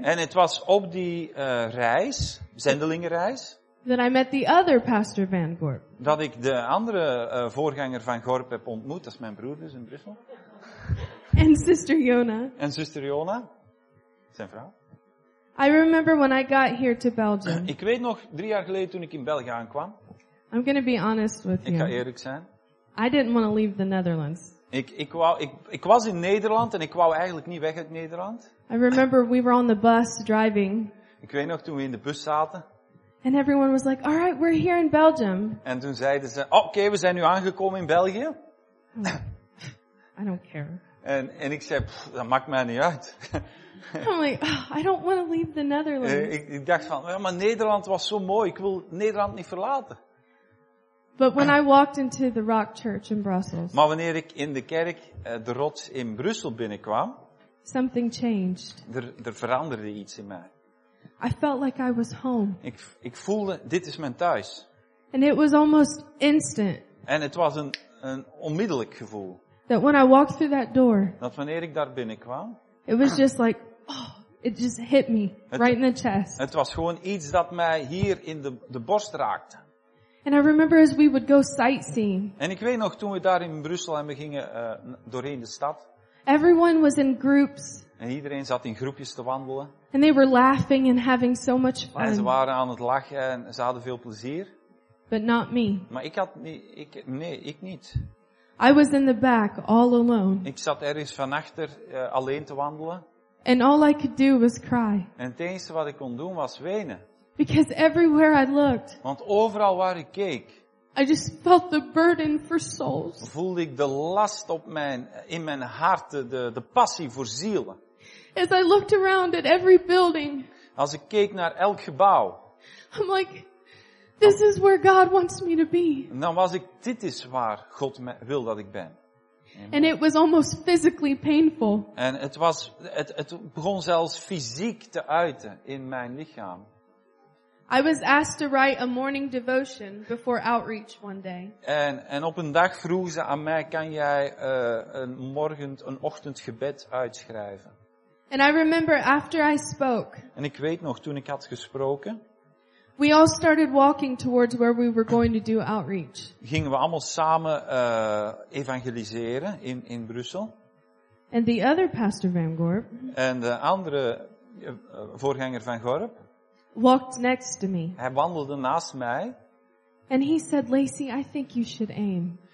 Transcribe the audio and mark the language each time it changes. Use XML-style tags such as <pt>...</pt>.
<nl>En het was op die reis, zendelingenreis.</nl> <en>That I met the other pastor Van Gorp.</en> <nl>Dat ik de andere voorganger Van Gorp heb ontmoet, dat is mijn broer dus in Brussel.</nl> <en>And sister Jona.</en> <nl>En zuster Jona. Zijn vrouw.</nl> <en>I remember when I got here to Belgium.</en> <nl>Ik weet nog 3 jaar geleden toen ik in België aankwam.</nl> <en>I'm going to be honest with you.</en> <nl>Ik ga eerlijk zijn.</nl> <en>I didn't want to leave the Netherlands.</en> <nl>Ik was in Nederland en ik wou eigenlijk niet weg uit Nederland.</nl> <en>I remember we were on the bus driving.</en> <nl>Ik weet nog toen we in de bus zaten.</nl> <en>And everyone was like, "All right, we're here in Belgium."</en> <nl>En toen zeiden ze, "Oké, we zijn nu aangekomen in België."</nl> <en>I don't care.</en> <nl>En ik zei, dat maakt mij niet uit.</nl> <en>I'm like, oh, I don't want to leave the Netherlands.</en> <nl>Ik dacht van, ja, maar Nederland was zo mooi. Ik wil Nederland niet verlaten.</nl> <en>But when I walked into the Rock Church in Brussels.</en> <nl>Maar wanneer ik in de kerk de Rots in Brussel binnenkwam,</nl> <en>something changed.</en> <nl>Er veranderde iets in mij.</nl> <en>I felt like I was home.</en> <nl>Ik voelde, dit is mijn thuis.</nl> <en>And it was almost instant.</en> <nl>En het was een onmiddellijk gevoel.</nl> <en>That when I walked through that door.</en> <nl>Dat wanneer ik daar binnenkwam.</nl> <en>It was just like, oh, it just hit me right in the chest.</en> <nl>Het was gewoon iets dat mij hier in de borst raakte.</nl> <en>And I remember as we would go sightseeing.</en> <nl>En ik weet nog toen we daar in Brussel en we gingen doorheen de stad.</nl> <en>Everyone was in groups.</en> <nl>En iedereen zat in groepjes te wandelen.</nl> <en>And they were laughing and having so much fun.</en> <nl>En ze waren aan het lachen en ze hadden veel plezier.</nl> <en>But not me.</en> <nl>Maar ik had niet, ik niet.</nl> <en>I was in the back, all alone.</en> <nl>Ik zat ergens vanachter alleen te wandelen.</nl> <en>And all I could do was cry.</en> <nl>En het enige wat ik kon doen was wenen.</nl> <en>Because everywhere I looked.</en> <nl>Want overal waar ik keek.</nl> <en>I just felt the burden for souls.</en> <nl>Voelde ik de last op in mijn hart, de passie voor zielen.</nl> <en>As I looked around at every building.</en> <nl>Als ik keek naar elk gebouw.</nl> <en>I'm like, this is where God wants me to be.</en> <nl>Dan was ik, dit is waar God wil dat ik ben.</nl> <en>And it was almost physically painful.</en> <nl>En het begon zelfs fysiek te uiten in mijn lichaam.</nl> <en>I was asked to write a morning devotion before outreach one day.</en> <nl>En op een dag vroegen ze aan mij, kan jij een ochtendgebed uitschrijven?</nl> <en>And I remember after I spoke.</en> <nl>En ik weet nog toen ik had gesproken.</nl> <en>We all started walking towards where we were going to do outreach.</en> <nl>Gingen we allemaal samen evangeliseren in Brussel.</nl> <en>And the other pastor Van Gorp.</en> <nl>En de andere voorganger Van Gorp.</nl> <en>Walked next to me.</en> <nl>Hij wandelde naast mij.</nl> <en>And he said, "Lacey, I think you should aim."</en>